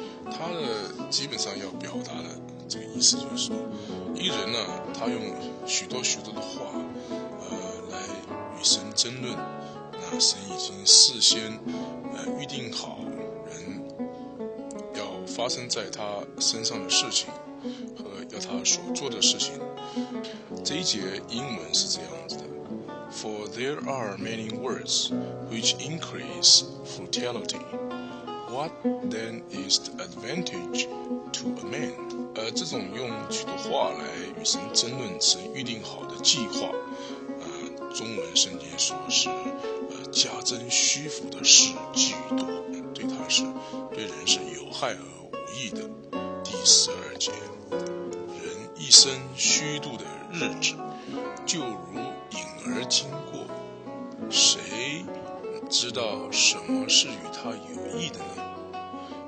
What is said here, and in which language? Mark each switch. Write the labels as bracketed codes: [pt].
[zh] 他的基本上要表达的这个意思就是说，一个人呢，他用许多许多的话，来与神争论，那神已经事先预定好人要发生在他身上的事情和要他所做的事情。这一节英文是这样子的 [en] ：For there are many words which increase futility. What then is the advantage to a man？ [zh] 这种用许多话来与神争论神预定好的计划，中文圣经说是加增虚浮的事居多，对他是对人是有害而无益的。第十二节，人一生虚度的日子就如影儿经过，谁知道什么是与他有益的呢？